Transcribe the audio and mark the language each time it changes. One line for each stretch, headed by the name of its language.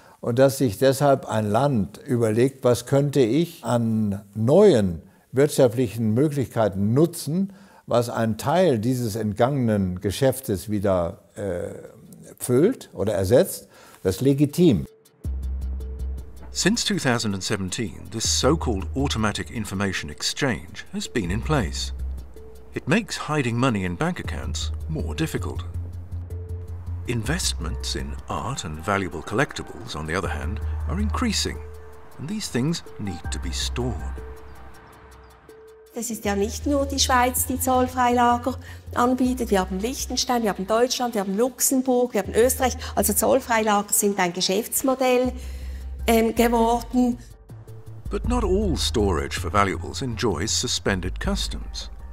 German: Und dass sich deshalb ein Land überlegt, was könnte ich an neuen wirtschaftlichen Möglichkeiten nutzen, was einen Teil dieses entgangenen Geschäftes wieder füllt oder ersetzt, das ist legitim.
English: Since 2017, this so-called automatic information exchange has been in place. It makes hiding money in bank accounts more difficult. Investments in art and valuable collectibles, on the other hand, are increasing, and these things need to be stored.
German: Das ist ja nicht nur die Schweiz, die Zollfreilager anbietet. Wir haben Liechtenstein, wir haben Deutschland, wir haben Luxemburg, wir haben Österreich. Also Zollfreilager sind ein Geschäftsmodell geworden.
English: But not all storage for valuables enjoys suspended customs.